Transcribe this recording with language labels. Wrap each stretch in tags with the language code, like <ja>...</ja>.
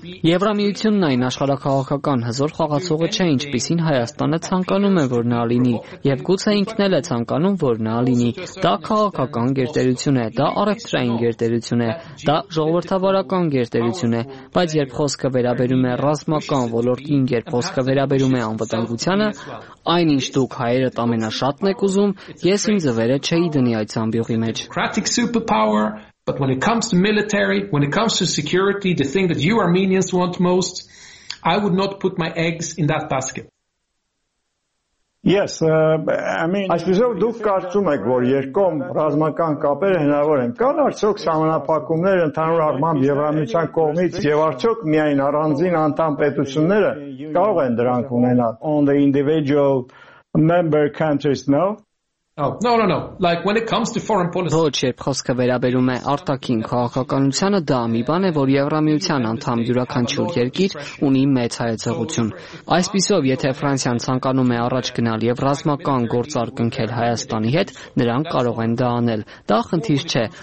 <hy>Եվրամիությունն այն աշխարհակաղակական հզոր խաղացողը չէ, ինչպիսին Հայաստանը ցանկանում է, որ նա լինի, եւ գուցե ինքն էլ է ցանկանում, որ նա լինի։ Դա քաղաքական գերտերություն է, դա առևտրային գերտերություն է, դա ժողովրդավարական գերտերություն է, բայց երբ խոսքը վերաբերում է ռազմական ոլորտին, երբ խոսքը վերաբերում է անվտանգությանը, այնինչ դուք հայերդ ամենաշատն եք ուզում, ես ինձ վերը չէի դնի այդ ամբյուղի մեջ։</hy> <en>But when it comes to military, when it comes to security, the thing that you Armenians want most, I would not put my eggs in that basket. Yes, I mean,</en> <hy>այսպեսով դուք կարծում եք, որ երկկողմ ռազմական կապերը հնարավոր են։ Կան արդյոք համապատակումներ ընդհանուր առմամբ Եվրամիության կողմից, եւ արդյոք միայն առանձին անդամ պետությունները կարող են դրանք ունենալ?</hy> <en>On the individual member countries, no? No. Like when it comes to foreign policy.</en> <hy>Ոչ, երբ խոսքը վերաբերում է արտաքին քաղաքականությանը, դա մի բան է, որ Եվրամիության անդամ յուրաքանչյուր երկիր ունի մեծ հայեցողություն։ Այսպիսով, եթե Ֆրանսիան ցանկանում է առաջ գնալ եւ ռազմական գործարկընքել Հայաստանի հետ, նրանք կարող են դա անել։ Դա խնդիր չէ։</hy>